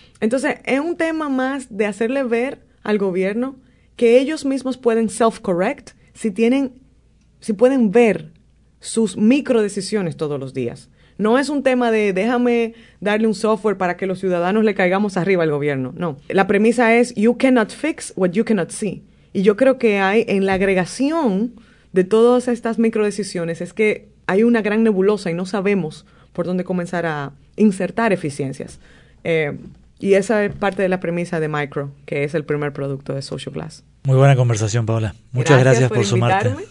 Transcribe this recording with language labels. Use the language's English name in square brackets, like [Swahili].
[Spanish] Entonces es un tema más de hacerle ver al gobierno que ellos mismos pueden self-correct si pueden ver sus micro decisiones todos los días. No es un tema de déjame darle un software para que los ciudadanos le caigamos arriba al gobierno. No. La premisa es [English] you cannot fix what you cannot see. [Spanish] Y yo creo que hay en la agregación de todas estas micro decisiones es que hay una gran nebulosa y no sabemos por dónde comenzar a insertar eficiencias. Y esa es parte de la premisa de Micro, que es el primer producto de Social Glass. Muy buena conversación, Paola. Muchas gracias por sumarte.